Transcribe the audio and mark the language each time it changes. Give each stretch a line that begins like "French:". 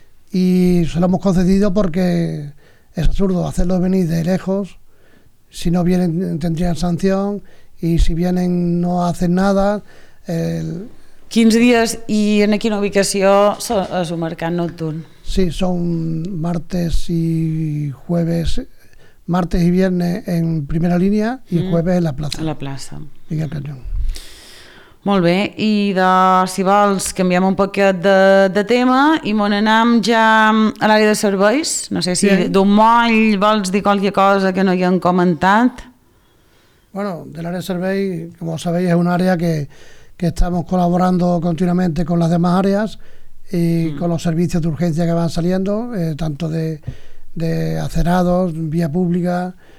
Spanish: Y se lo hemos concedido porque es absurdo hacerlo venir de lejos, si no vienen tendrían sanción y si vienen no hacen nada. ¿15 días y en qué ubicación es un mercado nocturno? Sí, son martes y jueves, martes y viernes en primera línea y jueves en la plaza. En la plaza. Miguel Cañón.
Catalan: Molt bé, i de, si vols, canviem un poquet de tema i mon anem ja a l'àrea de serveis. No sé si d'Omoll vols dir qualque cosa que no hi hem comentat.
Spanish: Bueno,
Catalan: de l'àrea de serveis, com sabeu, és una àrea que
Spanish: estamos colaborando continuamente con las demás áreas y con los servicios de urgencia que van saliendo, tanto de acerados, vía pública.